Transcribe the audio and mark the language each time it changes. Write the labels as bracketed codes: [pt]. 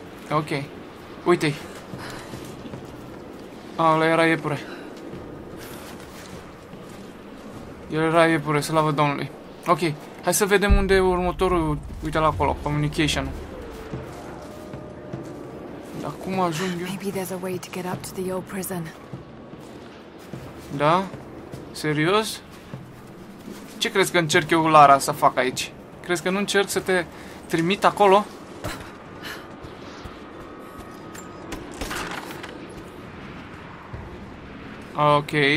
[ro] Ok. Uite-i. Ăla era iepure. El era iepure, slavă Domnului. Ok, hai să vedem unde e următorul. Uite la acolo, communication. Dar cum ajung eu? [en] Maybe there's a way to get up to the old prison. [ro] Da? Serios? Ce crezi că încerc eu, Lara, să fac aici? Crezi că nu încerc să te trimit acolo? Ok.